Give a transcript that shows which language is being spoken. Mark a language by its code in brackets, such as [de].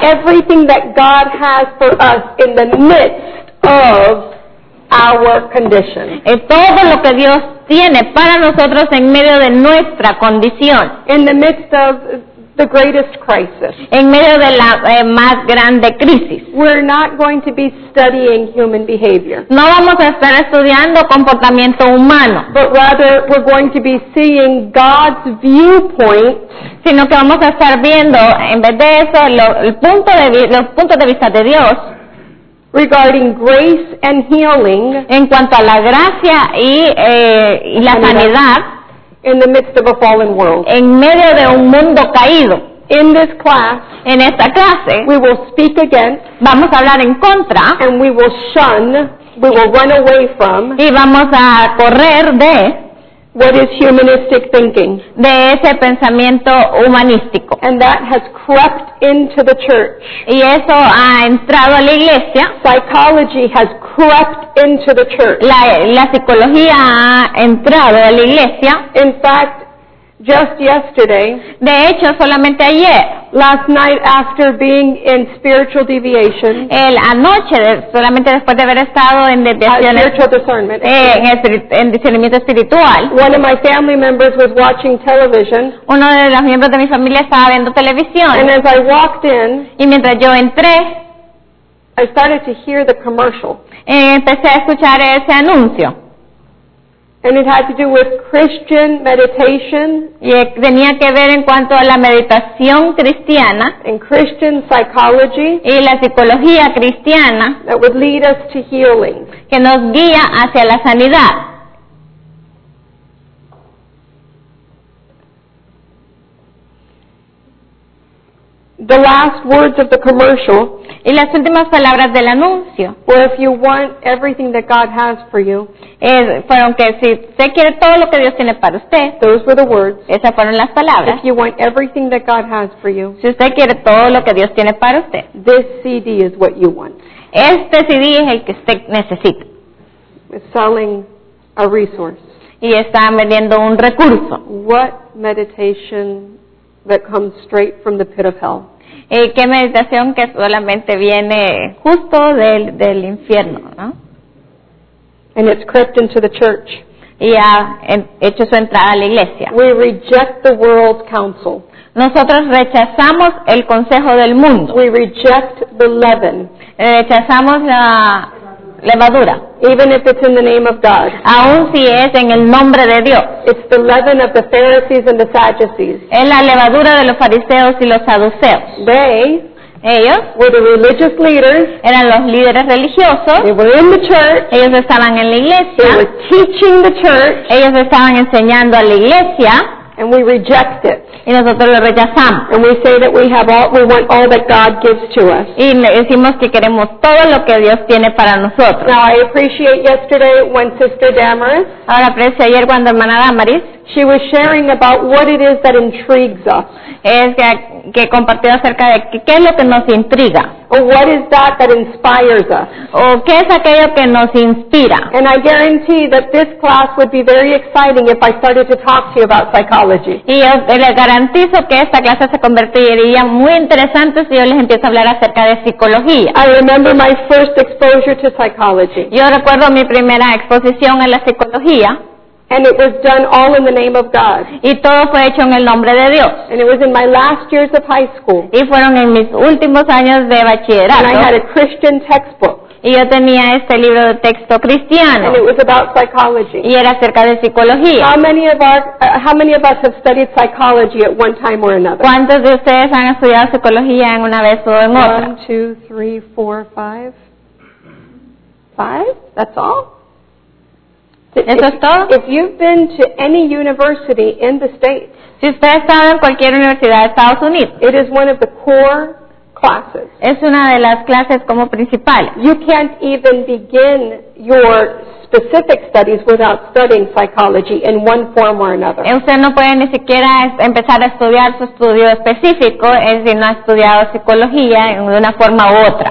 [en] everything that God has for us in the midst of our condition. [es] Todo lo que Dios tiene para nosotros en medio de nuestra condición. [en] In the midst of the greatest crisis. [es] En medio de la más grande crisis. [en] We're not going to be studying human behavior. [es] No vamos a estar estudiando comportamiento humano. [en] But rather, we're going to be seeing God's viewpoint. [es] Sino que vamos a estar viendo, en vez de eso, los puntos de vista de Dios. [en] Regarding grace and healing. [es] En cuanto a la gracia y la sanidad. [en] In the midst of a fallen world. [es] En medio de un mundo caído. [en] In this class. [es] En esta clase. [en] We will speak against. [es] Vamos a hablar en contra. [en] And we will shun. We will run away from. [es] Y vamos a correr de. [en] What is humanistic thinking? [es] De ese pensamiento humanístico. [en] And that has crept into the church. [es] Y eso ha entrado a la iglesia. [en] Psychology has crept into the church. [es] La psicología ha entrado a la iglesia. [en] In fact, just yesterday. [es] De hecho, solamente ayer. [en] Last night after being in spiritual deviation. [es] El anoche, solamente después de haber estado en desviaciones. [en] Spiritual discernment. [es] En discernimiento espiritual. [en] One of my family members was watching television. [es] Uno de los miembros de mi familia estaba viendo televisión. [en] And as I walked in. [es] Y mientras yo entré. [en] I started to hear the commercial. [es] Empecé a escuchar ese anuncio. [en] And it had to do with Christian meditation. [es] Y tenía que ver en cuanto a la meditación cristiana. [en] And Christian psychology. [es] Y la psicología cristiana. [en] That would lead us to healing. [es] Que nos guía hacia la sanidad. [en] The last words of the commercial. [es] Y las últimas palabras del anuncio. [en] Well, if you want everything that God has for you. [es] Fueron que si usted quiere todo lo que Dios tiene para usted. [en] Those were the words. [es] Esas fueron las palabras. [en] If you want everything that God has for you. [es] Si usted quiere todo lo que Dios tiene para usted. [en] This CD is what you want. [es] Este CD es el que usted necesita. [en] It's selling a resource. [es] Y está vendiendo un recurso. [en] What meditation that comes straight from the pit of hell? [es] ¿Qué meditación que solamente viene justo del infierno, ¿no? [en] And it's crept into the church. [es] Y ha hecho su entrada a la iglesia. [en] We reject the world's counsel. [es] Nosotros rechazamos el consejo del mundo. [en] We reject the leaven. [es] Rechazamos la levadura. [en] Even if it's in the name of God. [es] Aun si es en el nombre de Dios. [en] It's the leaven of the Pharisees and the Sadducees. [es] Es la levadura de los fariseos y los saduceos. Ellos [en] were the religious leaders. [es] Eran los líderes religiosos. [en] They were in the church. [es] Ellos estaban en la iglesia. [en] They were teaching the church. [es] Ellos estaban enseñando a la iglesia. [en] And we reject it. [es] Y nosotros lo rechazamos. [en] And we say that we want all that God gives to us. [es] Y decimos que queremos todo lo que Dios tiene para nosotros. [en] Now I appreciate yesterday when Sister Damaris. [es] Ahora aprecio ayer cuando hermana Damaris. [en] She was sharing about what it is that intrigues us. [es] Es que compartió acerca de qué es lo que nos intriga. [en] Or what is that that inspires us? [es] O qué es aquello que nos inspira. [en] And I guarantee that this class would be very exciting if I started to talk to you about psychology. [es] Y yo les garantizo que esta clase se convertiría muy interesante si yo les empiezo a hablar acerca de psicología. [en] I remember my first exposure to psychology. [es] Yo recuerdo mi primera exposición a la psicología. [en] And it was done all in the name of God. [es] Y todo fue hecho en el nombre de Dios. [en] And it was in my last years of high school. [es] Y fueron en mis últimos años de bachillerato. [en] And I had a Christian textbook. [es] Y yo tenía este libro de texto cristiano. [en] And it was about psychology. [es] Y era acerca de psicología. [en] How many of us have studied psychology at one time or another? [es] ¿Cuántos de ustedes han estudiado psicología en una vez o en otra? [en] 1, 2, 3, 4, 5. 5? That's all? [es] Eso es todo. [en] If you've been to any university in the States, [es] si usted ha estado en cualquier universidad de Estados Unidos, [en] it is one of the core classes. [es] Es una de las clases como principal. [en] You can't even begin your specific studies without studying psychology in one form or another. [es] Usted no puede ni siquiera empezar a estudiar su estudio específico si no ha estudiado psicología en una forma u otra.